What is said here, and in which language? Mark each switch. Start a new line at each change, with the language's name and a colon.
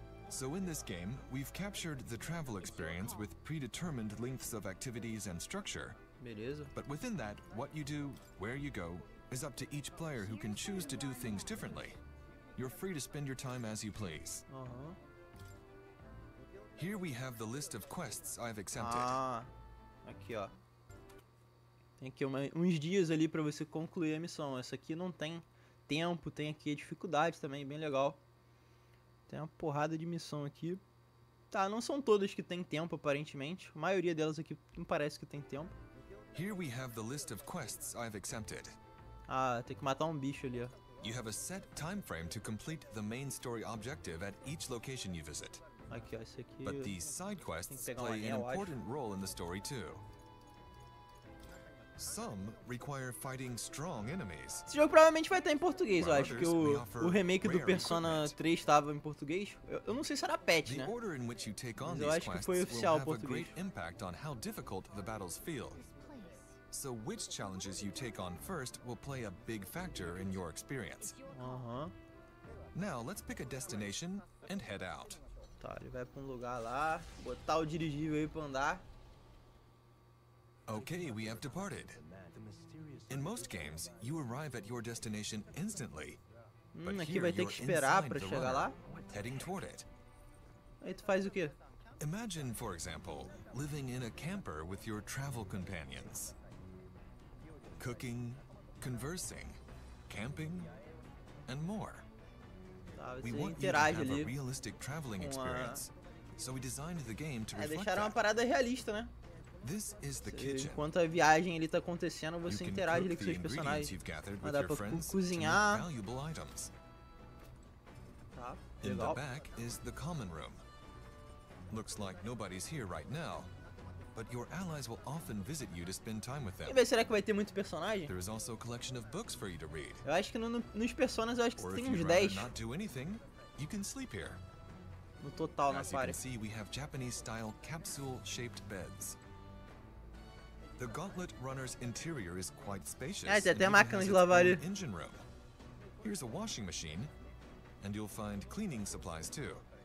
English: So in this game, we've captured the travel experience with predetermined lengths of activities and structure.
Portuguese: Beleza.
English: But within that, what you do, where you go, is up to each player who can choose to do things differently. You're free to spend your time as you please. Uh-huh. Here we have the list of quests I've accepted.
Portuguese: Ah, aqui ó. Tem aqui uns dias ali pra você concluir a missão. Essa aqui não tem tempo, tem aqui a dificuldade também, bem legal. Tem uma porrada de missão aqui. Tá, não são todas que tem tempo, aparentemente. A maioria delas aqui não parece que tem tempo.
English: Here we have the list of quests I've accepted.
Portuguese: Ah, tem que matar um bicho ali, ó.
English: You have a set time frame to complete the main story objective at each location you visit.
Portuguese: Aqui, ó, esse aqui.
English: But these side quests play an important role in the story too. Some require fighting strong enemies.
Portuguese: Esse jogo provavelmente vai estar em português, eu acho, que o remake do Persona 3 estava em português. Eu não sei se era patch, né?
English: Order in which you take on
Portuguese: mas eu acho que foi oficial português.
English: A great impact on how difficult the battles feel. So which challenges you take on first will play a big factor in your experience. Uh-huh. Now let's pick a destination and head out.
Portuguese: Tá, ele vai para um lugar lá, botar o dirigível aí para andar.
English: Okay, we have departed. In most games, you arrive at your destination instantly.
Portuguese: Aqui vai ter que esperar para chegar lá.
English: Heading toward it.
Portuguese: Aí tu faz o quê?
English: Imagine, for example, living in a camper with your travel companions. Cooking, conversing, camping, and more. We want you to have a realistic traveling experience. So we designed the game to reflect that.
Portuguese: Uma parada realista, né?
English: This is the kitchen.
Portuguese: Enquanto a viagem ele tá acontecendo, você interage com seus personagens. Dá pra cozinhar. Tá, legal.
English: In the back is the common room. Looks like nobody's here right now, but your allies will often visit you to spend time with them.
Portuguese: E será que vai ter muito personagem?
English: There is also a collection of books for you to read.
Portuguese: Eu acho que nos personagens eu acho que tem uns 10.
English: Or if you not do anything, you can sleep here.
Portuguese: No total,
English: as you can see, we have Japanese-style capsule-shaped beds. The Gauntlet Runner's interior is quite spacious.
Portuguese: Ah, até máquina de lavar ali.
English: Engine room. Here's a washing machine, and you'll find cleaning supplies too.